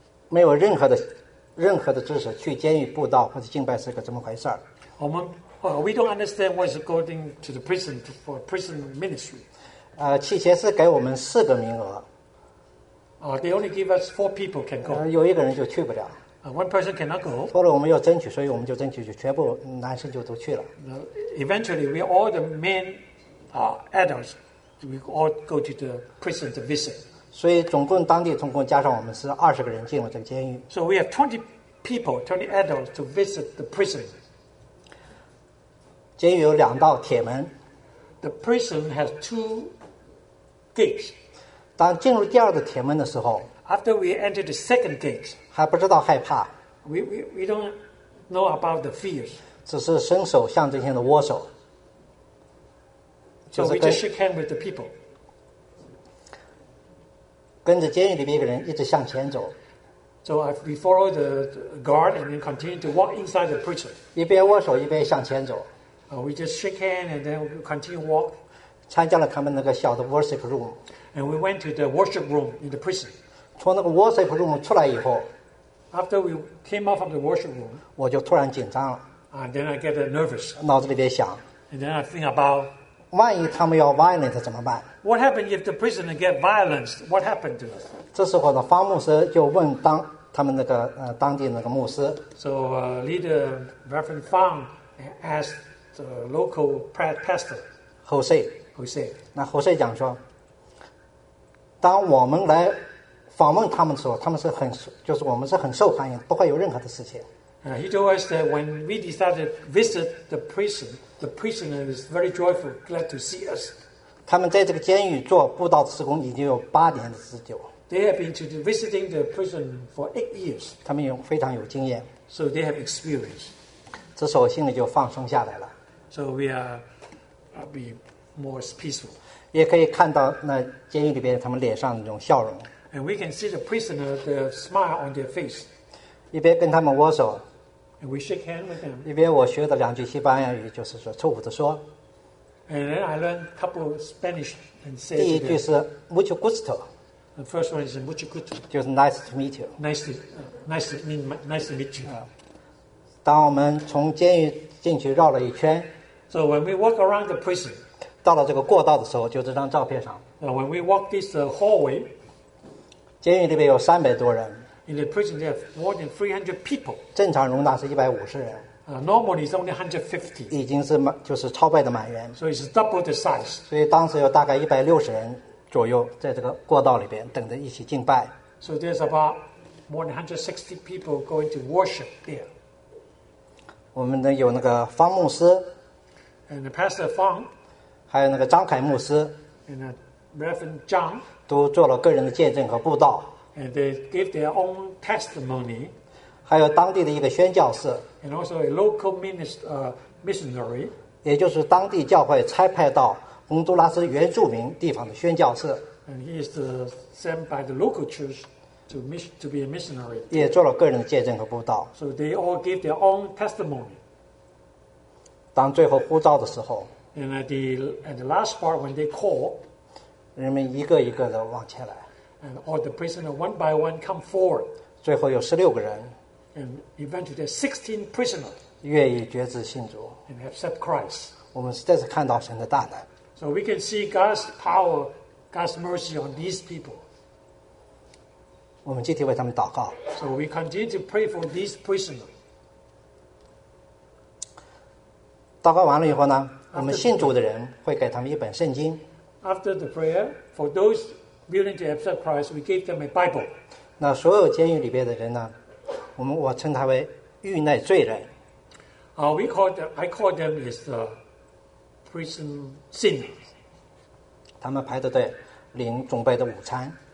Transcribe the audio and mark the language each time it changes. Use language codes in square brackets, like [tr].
[zh] 没有任何的任何的知识去监狱布道或者敬拜是个怎么回事。 [en] 我们 we don't understand what is going to the prison for prison ministry. [zh] 契切是给我们四个名额。 [en] They only give us four people can go. [zh] 有一个人就去不了。 [en] One person cannot go. [zh] 后来我们要争取，所以我们就争取，就全部男生就都去了。 [en] Eventually, we all the men, adults, we all go to the prison to visit. [zh] 所以总共当地总共加上我们是二十个人进了这个监狱。 [en] So we have 20 people, 20 adults to visit the prison. [zh] 监狱有两道铁门。 [en] The prison has two gates. [zh] 当进入第二道铁门的时候。 [en] After we enter the second gate, [zh] 还不知道害怕。 [en] We don't know about the fears. [zh] 只是伸手向这些人握手。 [en] So we just shook hands with the people. [zh] 跟着监狱里面一个人一直向前走。 [en] So we followed the guard and then continued to walk inside the prison. [zh] 一边握手一边向前走。 [en] We just shook hands and then continued to walk. [zh] 参加了他们那个小的 worship room. [en] And we went to the worship room in the prison. [zh] 从那个 worship room 出来以后 [en] ，After we came out from the worship room， [zh] 我就突然紧张了。 [en] And then I get nervous， [zh] 脑子里边想 [en] ，And then I think about， [zh] 万一他们要 violent 怎么办 [en] ？What happened if the prisoner get violent？ What happened to us？ [zh] 这时候呢，方牧师就问当他们那个当地那个牧师 [en] ，So leader Reverend Fang asked the local pastor [zh] Jose， 那 [en] Jose [zh] 讲说，当我们来访问他们的时候，他们是很，就是我们是很受欢迎，不会有任何的事情。 [en] He told us that when we decided to visit the prison, the prisoner is very joyful, glad to see us. [zh] 他们在这个监狱做布道施工已经有八年的时间。 [en] They have been visiting the prison for 8 years. [zh] 他们有非常有经验。 [en] So they have experience. [zh] 这时候心里就放松下来了。 [en] So we are be more peaceful. [zh] 也可以看到那监狱里边他们脸上的那种笑容。 [en] And we can see the prisoner, the smile on their face. [zh] 一边跟他们握手 [en] ，and we shake hands with them. [zh] 一边我学的两句西班牙语，就是说祝福的说。 [en] And then I learned a couple of Spanish and say. [zh] 第一句是 [es] mucho gusto. [en] The first one is [es] mucho gusto. [en] 就是 nice to meet you. Nice to meet you. [zh] 当我们从监狱进去绕了一圈 [en] ，so when we walk around the prison. [zh] 到了这个过道的时候，就这张照片上。 [en] And when we walk this hallway. [zh] 监狱里面有三百多人。 [en] In the prison, there are more than 300 people. [zh] 正常容纳是150人。 [en] Normally, it's only 150. [zh] 已经是就是超拜的满员。 [en] So it's double the size. [zh] 所以当时有大概160人左右在这个过道里边等着一起敬拜。 [en] So there's about more than 160 people going to worship there. [zh] 我们呢有那个方牧师。 [en] And the pastor Fang. [zh] 还有那个张凯牧师。 [en] And the Reverend John. [zh] 都做了个人的见证和布道 [en] ，and they gave their own testimony， [zh] 还有当地的一个宣教士 [en] ，and also a local missionary， [zh] 也就是当地教会差派到洪都拉斯原住民地方的宣教士 [en] ，and he is sent by the local church to be a missionary， [zh] 也做了个人的见证和布道 [en] ，so they all gave their own testimony。 [zh] 当最后呼召的时候 [en] ，and at the last part when they call。 [zh] 人们一个一个的往前来 [en] ，and all the prisoners one by one come forward。 [zh] 最后有16个人 [en] ，and eventually there's 16 prisoners [zh] 愿意决志信主 [en] ，and accept Christ。 [zh] 我们再次看到神的大能 [en] ，so we can see God's power, God's mercy on these people。 [zh] 我们集体为他们祷告 [en] ，so we continue to pray for these prisoners。 [zh] 祷告完了以后呢，我们信主的人会给他们一本圣经。 [en] After the prayer, for those willing to accept Christ, we gave them a Bible. [zh] 那所有监狱里边的人呢，我称他为狱内罪人。 [en] I call them as the prison sinners. [zh] 他们排着队领准备的午餐。